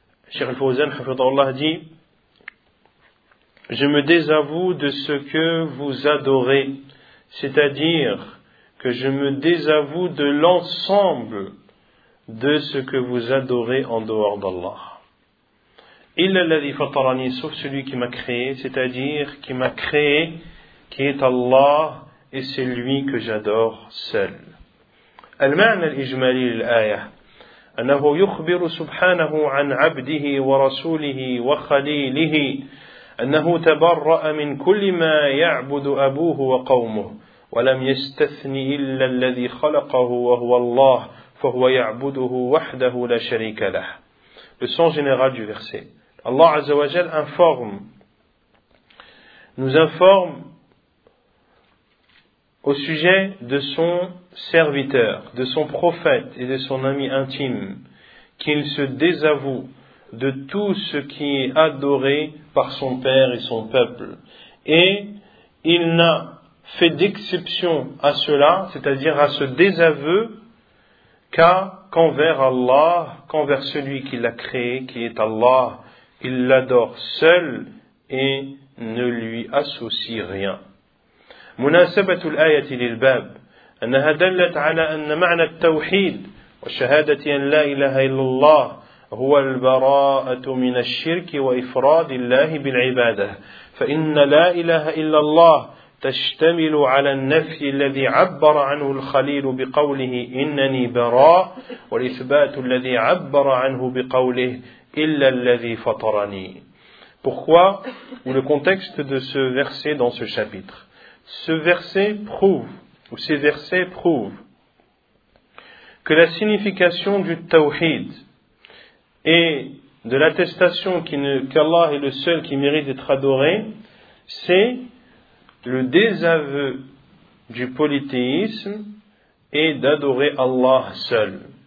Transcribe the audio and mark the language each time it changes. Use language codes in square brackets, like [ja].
[fr] Cheikh Al-Fawzan, hafidhahullah, dit: je me désavoue de ce que vous adorez, c'est-à-dire que je me désavoue de l'ensemble de ce que vous adorez en dehors d'Allah. [ar] Illa alladhi fatarani, [fr] sauf celui qui m'a créé, c'est-à-dire qui m'a créé, qui est Allah, et c'est lui que j'adore seul. [ar] Al-ma'na al-ijmali lil-ayah, annahu yukhbiru subhanahu an 'abdihi wa rasulihi wa khalilihi أنه تبرأ من كل ما يعبد أبوه وقومه ولم يستثني إلا الذي خلقه وهو الله ف فهو يعبده وحده لا شريك له. [fr] Le sens général du verset. Allah Azza wa Jal nous informe au sujet de son serviteur, de son prophète et de son ami intime, qu'il se désavoue de tout ce qui est adoré par son père et son peuple. Et il n'a fait d'exception à cela, c'est-à-dire à ce désaveu, qu'envers Allah, qu'envers celui qui l'a créé, qui est Allah, il l'adore seul et ne lui associe rien. [ar] مناسبة الآية للباب أنها دلت على أن معنى التوحيد وشهادة أن لا إله إلا الله هو البراءة من الشرك وإفراد الله بالعبادة فإن لا إله إلا الله تشتمل على النفي الذي عبر عنه الخليل بقوله إنني براء والإثبات الذي عبر عنه بقوله إلا الذي فطرني. [fr] Pourquoi, ou le contexte de ce verset dans ce chapitre? Ce verset prouve, ou ces versets prouvent, que la signification du tawhid et de l'attestation qu'Allah est le seul qui mérite d'être adoré, c'est le désaveu du polythéisme et d'adorer Allah seul.